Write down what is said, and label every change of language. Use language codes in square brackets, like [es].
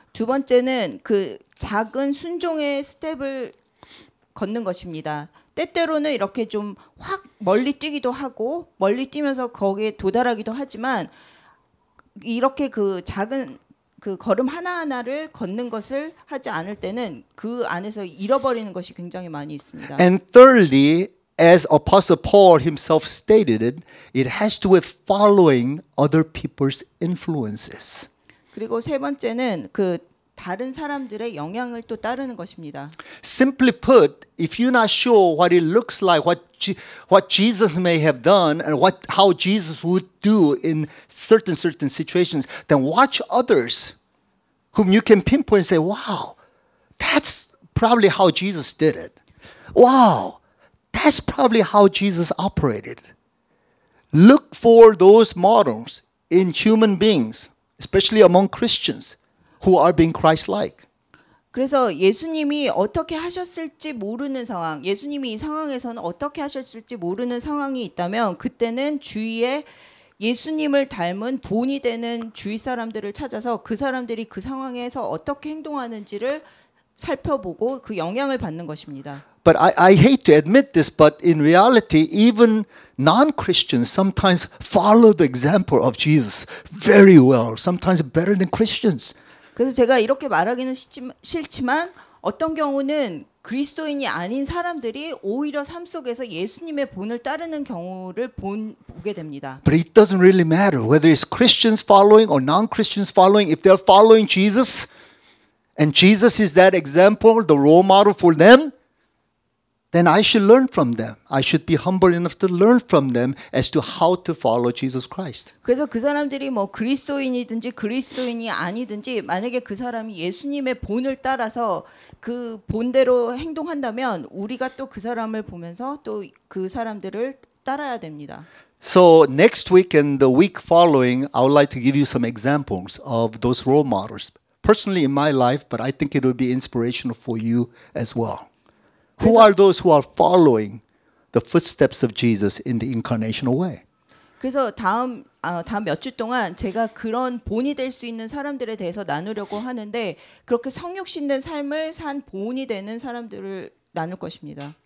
[ko] 두 번째는 그 작은 순종의 스텝을 걷는 것입니다. 때때로는 이렇게 좀 확 멀리 뛰기도 하고 멀리 뛰면서 거기에 도달하기도 하지만 이렇게 그 작은 그 걸음 하나하나를 걷는 것을 하지 않을 때는 그 안에서 잃어버리는 것이 굉장히 많이 있습니다. [en] And thirdly, as Apostle Paul himself stated it, it has to do with following other people's influences. [ko] 그리고 세 번째는 그 다른 사람들의 영향을 또 따르는 것입니다. [en] Simply put, if you're not sure what it looks like, what Jesus may have done, and how Jesus would do in certain situations, then watch others whom you can pinpoint and say, wow, that's probably how Jesus did it. Wow, that's probably how Jesus operated. Look for those models in human beings. Especially among Christians who are being Christ-like. [ko] 그래서 예수님이 어떻게 하셨을지 모르는 상황, 예수님이 이 상황에서는 어떻게 하셨을지 모르는 상황이 있다면 그때는 주위에 예수님을 닮은 본이 되는 주위 사람들을 찾아서 그 사람들이 그 상황에서 어떻게 행동하는지를 살펴보고 그 영향을 받는 것입니다. [en] But I hate to admit this, but in reality, even non-Christians sometimes follow the example of Jesus very well, sometimes better than Christians. [ko] 그래서 제가 이렇게 말하기는 싫지만 어떤 경우는 그리스도인이 아닌 사람들이 오히려 삶 속에서 예수님의 본을 따르는 경우를 보게 됩니다. [en] But it doesn't really matter whether it's Christians following or non-Christians following. If they're following Jesus, and Jesus is that example, the role model for them, then I should learn from them. I should be humble enough to learn from them as to how to follow Jesus Christ. [ko] 그래서 그 사람들이 뭐 그리스도인이든지 그리스도인이 아니든지 만약에 그 사람이 예수님의 본을 따라서 그 본대로 행동한다면 우리가 또 그 사람을 보면서 또 그 사람들을 따라야 됩니다. [en] So next week and the week following, I would like to give you some examples of those role models. Personally in my life, but I think it would be inspirational for you as well. Who are those who are following the footsteps of Jesus in the incarnational way? [ko] 그래서 다음 몇 주 동안 제가 그런 본이 될 수 있는 사람들에 대해서 나누려고 하는데 그렇게 성육신된 삶을 산 본이 되는 사람들을 나눌 것입니다.